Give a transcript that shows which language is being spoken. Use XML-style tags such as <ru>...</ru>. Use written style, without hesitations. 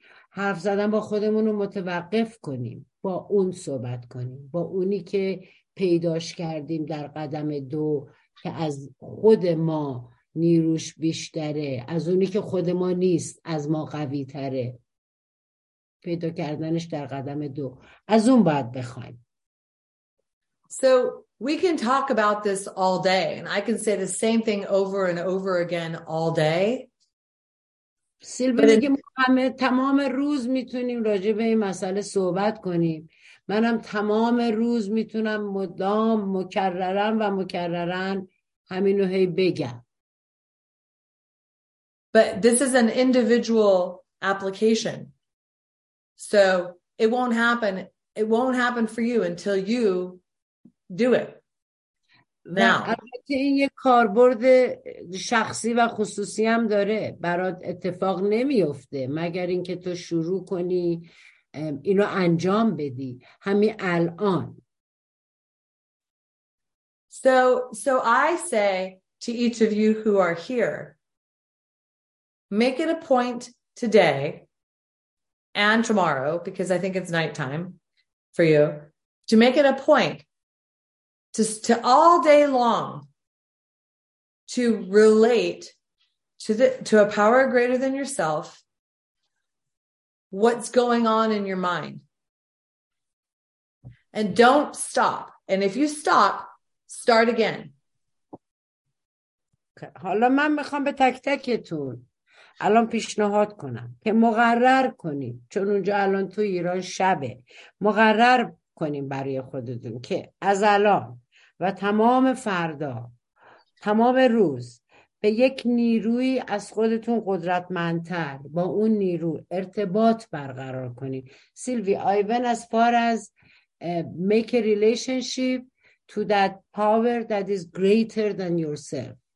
<fa>حرف زدن با خودمون رو متوقف کنیم، با اون صحبت کنیم، با اونی که پیداش کردیم در قدم دو که از خود ما نیروش بیشتره، از اونی که خود ما نیست، از ما قوی تره، پیدا کردنش در قدم دو، از اون باید بخوایم.</fa> <en>So we can talk about this all day and I can say the same thing over and over again all day.</en> <fa>سیلوی میگه همه تمام روز میتونیم راجع به این مسئله صحبت کنیم، منم تمام روز میتونم مدام مکررن و مکررن همینو هی بگم.</fa> <en>But this is an individual application. So it won't happen for you until you do it. Now.</en> <fa>این یه کاربرد شخصی و خصوصی هم داره، برات اتفاق نمیفته مگر اینکه تو شروع کنی اینو انجام بدی همین الان.</fa> <en>So I say to each of you who are here, make it a point today and tomorrow, because I think it's nighttime for you, to make it a point to all day long to relate to a power greater than yourself. What's going on in your mind? And don't stop. And if you stop, start again.</en> <fa>حالا من میخوام به تک تکتون الان پیشنهاد کنم که مقرر کنیم، چون اونجا الان تو ایران شبه، مقرر کنیم برای خودتون که از الان و تمام فردا، تمام روز به یک نیروی از خودتون قدرتمندتر، با اون نیرو ارتباط برقرار کنید.</fa> <en>Sylvie, I went as far as make a relationship to that power that is greater than yourself.</en>